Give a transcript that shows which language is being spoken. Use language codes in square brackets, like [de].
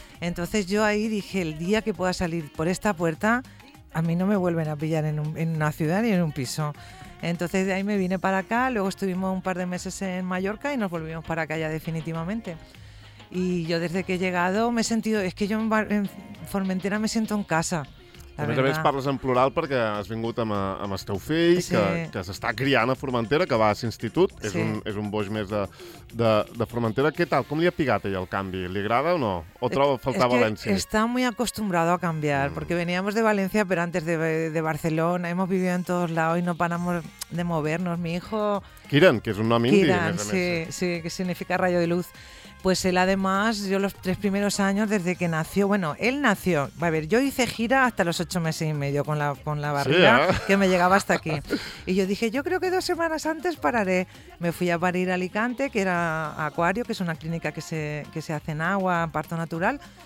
[es] Entonces yo ahí dije, el día que pueda salir por esta puerta, a mí no me vuelven a pillar en una ciudad ni en un piso. Entonces de ahí me vine para acá, luego estuvimos un par de meses en Mallorca y nos volvimos para acá ya definitivamente. Y yo desde que he llegado me he sentido... Es que yo en Formentera me siento en casa. [ca] A més a més, parles en plural perquè has vingut amb el teu fill, sí, que s'està criant a Formentera, que va a l'institut, sí. és un boix més de Formentera. Què tal? Com li ha pigat ell el canvi? Li agrada o no? O troba a faltar València? És que està molt [es] acostumbrado a [ca] canviar, perquè [es] veníamos de València, [ca] però [es] antes de Barcelona, hemos vivido en todos lados y no paramos de movernos. Mi hijo... [ca] Kiran, que és un nom indi, [es] Kiran, sí, que significa rayo de luz. Pues él además, yo los tres primeros años desde que nació, bueno, él nació, a ver, yo hice gira hasta los 8 meses y medio con la barriga, sí, ¿eh? Que me llegaba hasta aquí. Y yo dije, yo creo que 2 semanas antes pararé. Me fui a parir a Alicante, que era Acuario, que es una clínica que se hace en agua, en parto natural.